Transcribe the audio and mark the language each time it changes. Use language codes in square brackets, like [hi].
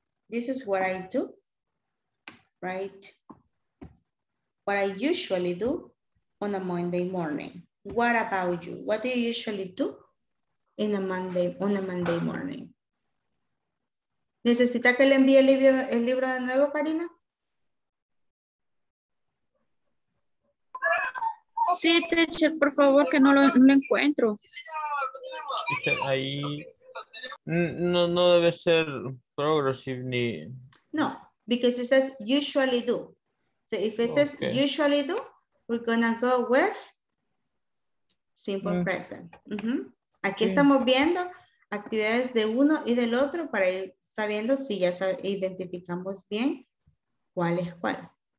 [en] This is what I do, right? What I usually do on a Monday morning. What about you? What do you usually do on a Monday morning? [es] ¿Necesita que le envíe el libro de nuevo, Karina? Sí, teacher, por favor, que no lo encuentro. Ahí no debe ser progressive ni. [en] No, because it says usually do. So if it says usually do, we're gonna go with simple present. Mm-hmm. [es] Aquí estamos viendo actividades de uno y del otro para ir sabiendo si ya identificamos bien cuál es cuál.